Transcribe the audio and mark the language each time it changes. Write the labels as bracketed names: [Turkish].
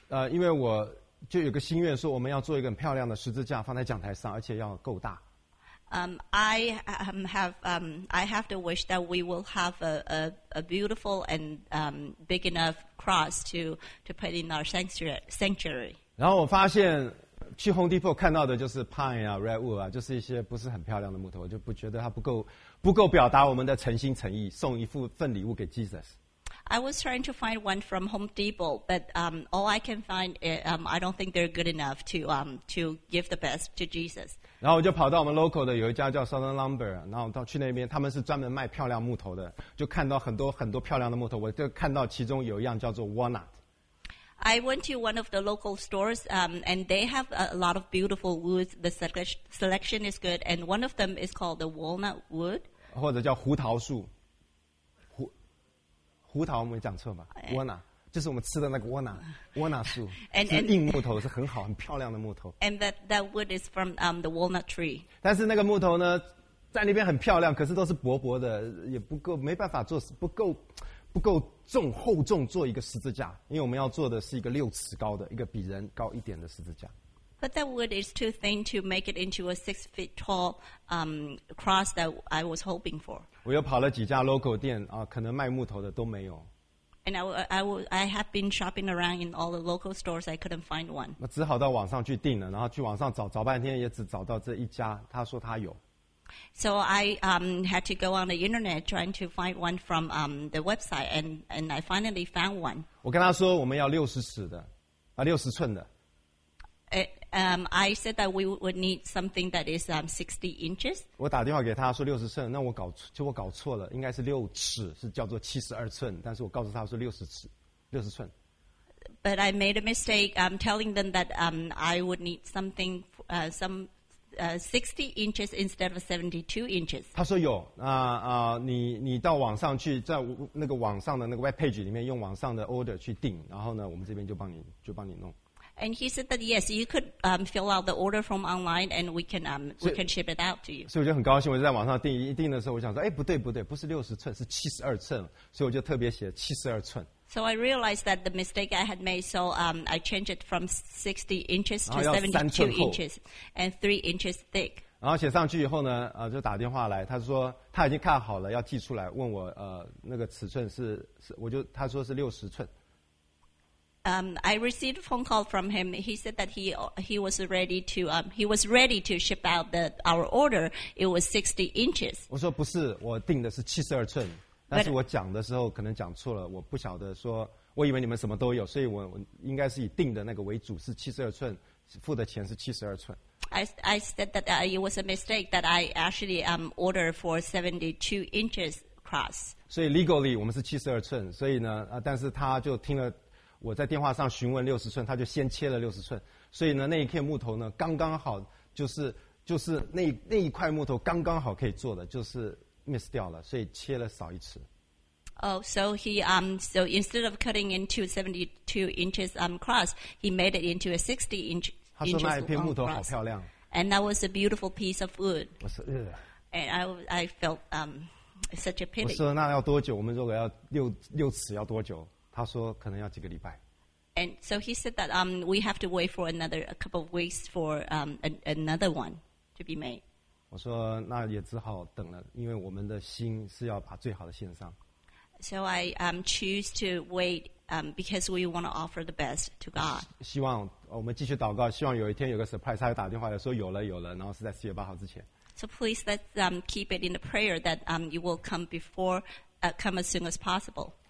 [Chinese] 因为我就有个心愿，说我们要做一个很漂亮的十字架放在讲台上，而且要够大。 [English] I have the wish that we will have a beautiful and big enough cross to put in our sanctuary. [Chinese] 然后我发现去 Home Depot 看到的就是 pine 啊、redwood 啊，就是一些不是很漂亮的木头，我就不觉得它不够表达我们的诚心诚意，送一份礼物给 Jesus。 [English] I was trying to find one from Home Depot, but all I can find, I don't think they're good enough to give the best to Jesus. [Chinese] 然后我就跑到我们 local 的有一家叫 Southern Lumber， 然后到去那边，他们是专门卖漂亮木头的，就看到很多很多漂亮的木头，我就看到其中有一样叫做 Walnut. [English] I went to one of the local stores, and they have a lot of beautiful woods. The selection is good, and one of them is called the Walnut Wood. [Chinese] 或者叫胡桃树。胡桃我们讲错吧 ，walnut 就是我们吃的那个 walnut 树，是硬木头，是很好很漂亮的木头。 [English] And that wood is from the walnut tree. [Chinese] 但是那个木头呢，在那边很漂亮，可是都是薄薄的，也不够，没办法做，不够重厚重做一个十字架，因为我们要做的是一个六尺高的，一个比人高一点的十字架。 [English] But that wood is too thin to make it into a 6 feet tall cross that I was hoping for. [Chinese] 我又跑了几家 local 店啊，可能卖木头的都没有。 [English] And I have been shopping around in all the local stores. I couldn't find one. [Chinese] 那只好到网上去订了，然后去网上找半天，也只找到这一家。他说他有。 [English] So I had to go on the internet trying to find one from the website, and I finally found one. [Chinese] 我跟他说我们要60寸的。 [English] I said that we would need something that is 60 inches. [Chinese] 我打电话给他说六十寸，那我搞错了，应该是六尺，是叫做72寸，但是我告诉他说六十寸。 [English] But I made a mistake. I'm telling them that I would need something 60 inches instead of 72 inches. [Chinese] 他说有啊啊，你到网上去，在那个网上的那个 web page 里面用网上的 order 去订，然后呢，我们这边就帮你弄。 [English] And he said that yes, you could fill out the order from online, and we can ship it out to you. [Chinese] 所以我就很高兴，我就在网上订。一订的时候，我想说，哎，不对，不是六十寸，是72寸。所以我就特别写72寸。 [English] So I realized that the mistake I had made. So I changed it from 60 inches to 72 inches and 3 inches thick. [Chinese] 然后写上去以后呢，就打电话来，他说他已经看好了，要寄出来，问我那个尺寸是，我就他说是60寸。 [English] I received a phone call from him. He said that he was ready to ship out our order. It was 60 inches. [Chinese] 我说不是，我订的是72寸，但是我讲的时候可能讲错了，我不晓得说，我以为你们什么都有，所以我应该是以订的那个为主，是72寸，付的钱是72寸。 [English] I said that it was a mistake that I actually ordered for 72 inches cross. [Chinese] 所以 legally 我们是72寸，所以呢，但是他就听了。我在电话上询问六十寸，他就先切了60寸，所以呢，那一片木头呢，刚刚好就是那一块木头刚刚好可以做的，就是 miss 掉了，所以切了少一尺。 [English] Oh, so he so instead of cutting into 72 inches cross, he made it into a 60 inch. [Chinese] 他说那一片木头好漂亮。 [English] And that was a beautiful piece of wood. And I felt such a pity. [Chinese] 我说那要多久? 我们如果要六尺要多久? 他说可能要几个礼拜。 [English] And so he said that we have to wait for a couple of weeks for another one to be made. [Chinese] 我说那也只好等了, 因为我们的心是要把最好的献上。 [English] So I choose to wait because we want to offer the best to God. [Chinese] 希望我们继续祷告, 希望有一天有个 surprise, 他又打电话来说有了有了, 然后是在7月8号之前。 [English] So please let's keep it in the prayer that it will come before come as soon as possible.